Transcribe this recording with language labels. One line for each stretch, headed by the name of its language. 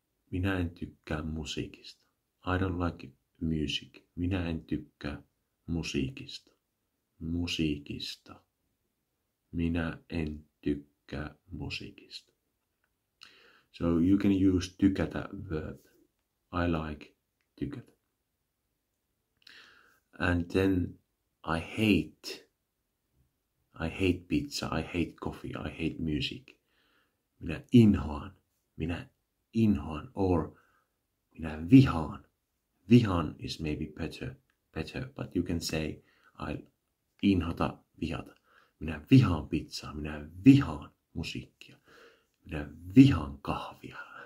Finnish: Minä en tykkää musiikista.
English: I don't like music.
Finnish: Minä en tykkää musiikista. Musiikista. Minä en tykkää. tykkää musiikista.
English: So you can use tykätä verb. I like tykätä. And then I hate pizza, I hate coffee, I hate music.
Finnish: Minä inhoan,
English: or
Finnish: minä vihaan.
English: Vihan is maybe better, but you can say I inhota, vihata.
Finnish: Minä vihaan pizzaa, minä vihaan musiikkia. Minä vihaan kahvia.